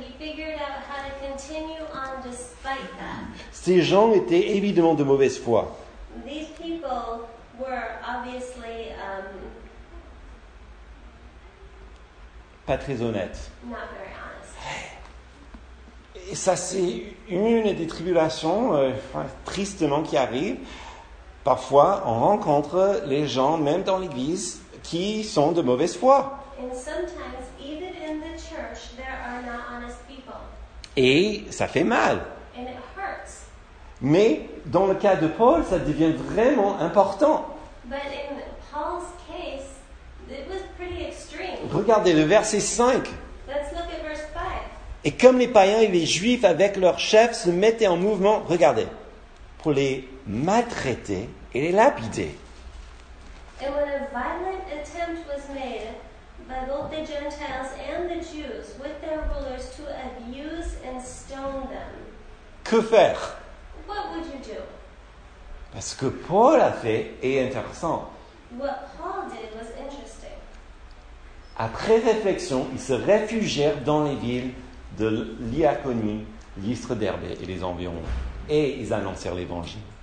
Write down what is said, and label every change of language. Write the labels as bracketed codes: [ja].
[en] He figured out how to continue on despite that. [fr] Ces gens étaient évidemment de mauvaise foi. [en] These people were obviously [fr] pas très honnêtes. [en] Not very honest. [fr] Et ça, c'est une des tribulations, tristement, qui arrive. Parfois, on rencontre les gens, même dans l'église, qui sont de mauvaise foi. [en] And sometimes, even in the church, there are not honest people. [fr] Et ça fait mal. [en] And it hurts. [fr] Mais dans le cas de Paul, ça devient vraiment important. [en] But in Paul's case, it was pretty extreme. [fr] Regardez le verset 5. [en] Let's look at verse 5. [fr] Et comme les païens et les juifs avec leurs chefs se mettaient en mouvement, regardez, pour les maltraiter et les lapider. [en] And when a violent attempt was made by both the Gentiles and the Jews with their rulers to abuse and stone them. [fr] Que faire? [en] What would you do? [fr] Ce que Paul a fait est intéressant. [en] What Paul did was interesting. [fr] Après réflexion, ils se réfugièrent dans les villes de Lyconie, Lystre, Derbe et les environs. Et ils annoncèrent l'évangile.